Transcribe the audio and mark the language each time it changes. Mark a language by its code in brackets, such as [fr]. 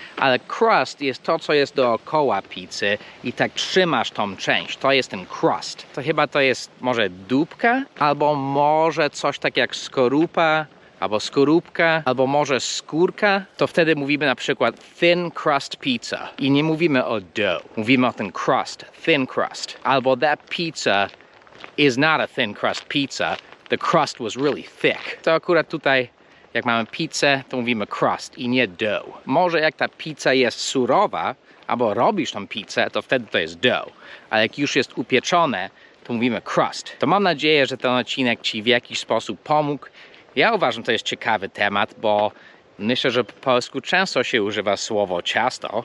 [pl] Ale crust jest to, co jest dookoła pizzy i tak trzymasz tą część. To jest ten crust. To chyba to jest może dupka? Albo może coś tak jak skorupa? Albo skorupka? Albo może skórka? To wtedy mówimy na przykład thin crust pizza. I nie mówimy o dough. Mówimy o ten crust. Thin crust. Albo [en] that pizza is not a thin crust pizza. The crust was really thick. [pl] To akurat tutaj, jak mamy pizzę, to mówimy crust i nie dough. Może jak ta pizza jest surowa, albo robisz tą pizzę, to wtedy to jest dough. Ale jak już jest upieczone, to mówimy crust. To mam nadzieję, że ten odcinek ci w jakiś sposób pomógł. Ja uważam, że to jest ciekawy temat, bo myślę, że po polsku często się używa słowo ciasto.